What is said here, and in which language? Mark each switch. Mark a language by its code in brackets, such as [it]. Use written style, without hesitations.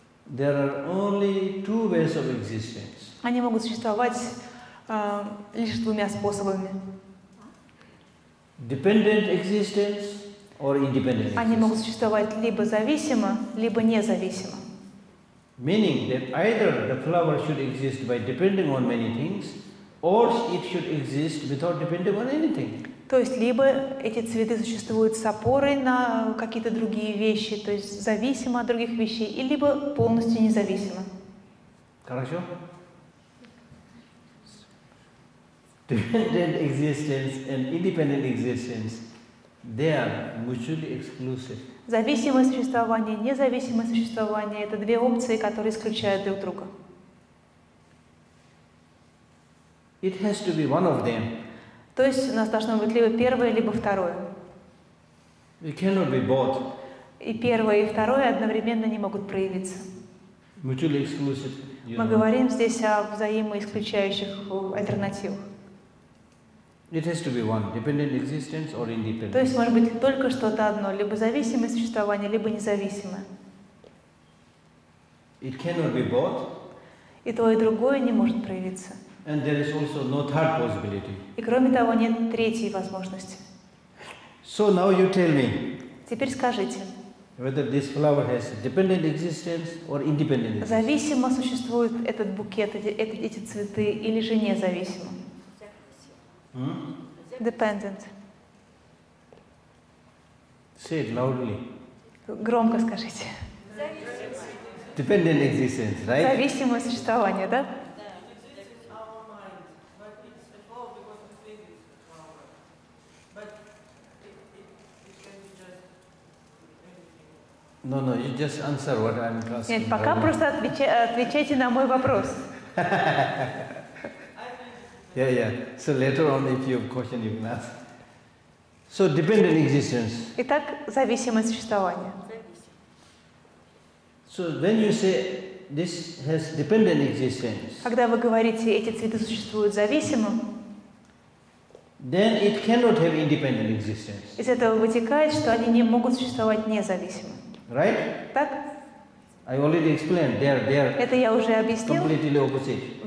[en] there are only two ways of existence. [ru] Они могут существовать лишь двумя способами. [en] Dependent existence or independent existence. [ru] Они могут существовать либо зависимо, либо независимо. [en] Meaning that either the flower should exist by depending on many things, or it should exist without depending on anything. [ru] То есть либо эти цветы существуют с опорой на какие-то другие вещи, то есть зависимо от других вещей, и либо полностью независимо. Хорошо? [en] Dependent existence and independent existence, they are mutually exclusive. [ru] Зависимое существование, независимое существование — это две опции, которые исключают друг друга. [en] It has to be one of them. [ru] То есть у нас должно быть либо первое, либо второе. [en] It cannot be both. [ru] И первое, и второе одновременно не могут проявиться. [en] Mutually exclusive. [ru] Мы говорим здесь о взаимоисключающих альтернативах. [en] It has to be one, dependent existence or independent. [ru] То есть может быть только что-то одно, либо зависимое существование, либо независимое. [en] It cannot be both. [ru] И то, и другое не может проявиться. [en] And there is also no third possibility. [ru] И кроме того, нет третьей возможности. [en] So now you tell me. [ru] Теперь скажите. [en] Whether this flower has dependent existence or independent existence. [ru] Зависимо существует этот букет, эти цветы, или же независимо. [en] Dependent. Say it loudly. [ru] Громко скажите. [en] Dependent existence, right? [ru] Зависимое существование, да? [en] No, no. You just answer what I'm asking. [ru] Нет, пока просто отвечайте на мой вопрос. [en] Yeah, yeah. So later on, if you have a question, you can ask. So dependent existence. [ru] Итак, зависимое существование. [en] So when you say this has dependent existence. [ru] Когда вы говорите, эти цветы существуют зависимо. [en] Then it cannot have independent existence. [ru] Из этого вытекает, что они не могут существовать независимо. [en] Right? [ru] Так? [en] I already explained. They are. [ru] Это я уже объяснил. [en] Completely opposite.